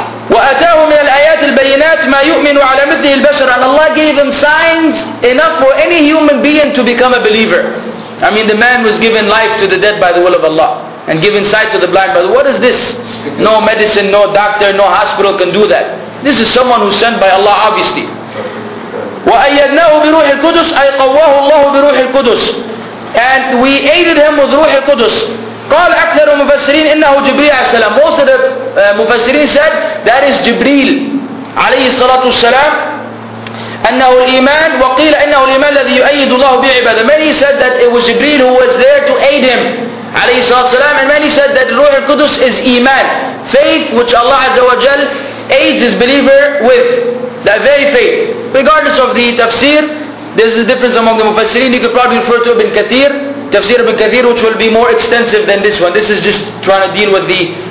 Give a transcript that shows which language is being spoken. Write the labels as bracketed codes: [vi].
[ar] وَأَتَاهُ مِنَ الْآيَاتِ الْبَيِّنَاتِ مَا يُؤْمِنُ عَلَى مِثْلِهِ الْبَشَرِ [en] And Allah gave him signs enough for any human being to become a believer. I mean, the man was given life to the dead by the will of Allah and given sight to the blind. But what is this? No medicine, no doctor, no hospital can do that. This is someone who's sent by Allah, obviously. [ar] وَأَيَّدْنَاهُ بِرُوحِ الْقُدُسِ أَيْ قَوَّاهُ اللَّهُ بِرُوحِ الْقُدُسِ [en] And we aided him with Ruhi al-Qudus. [ar] قال أكثر المفسرين إنه جبريل عليه السلام. [en] Most of the مفسرين said that is جبريل [ar] عليه الصلاة والسلام. أنه الإيمان وقيل إنه الإيمان الذي يؤيد الله به عباده. [en] Many said that it was جبريل who was there to aid him [ar] عليه الصلاة والسلام. [en] And many said that الروح القدس is إيمان, faith which Allah عز وجل aids his believer with, that very faith. Regardless of the tafsir, there is a difference among the مفسرين. You could probably refer to Ibn Kathir. Tafsir Ibn Kathir, which will be more extensive than this one. This is just trying to deal with the...